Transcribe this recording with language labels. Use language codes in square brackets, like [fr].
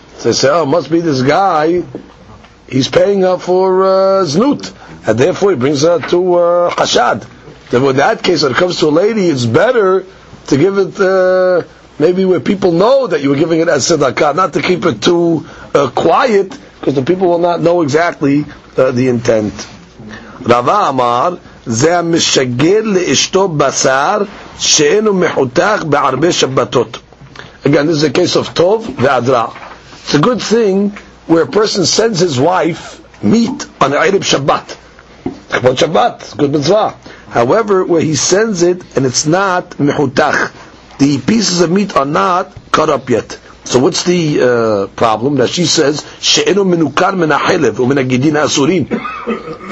[en] So they say, oh, it must be this guy, he's paying her for znut, and therefore he brings her to chashad. Then with that case, when it comes to a lady, it's better to give it maybe where people know that you were giving it as tzedakah, not to keep it too quiet, because the people will not know exactly the intent. Rava Amar, [he] זה משגר לאשתו בשר שאינו מחותך בערבי שבתות. [en] Again, this is a case of tov ve'adra. It's a good thing where a person sends his wife meat on Erev Shabbat. Chabot Shabbat, good mitzvah. However, where he sends it and it's not mechutach, the pieces of meat are not cut up yet. So what's the problem? That she says, she'enu menukar min ha'chilev u'min ha'gidin ha'asurin.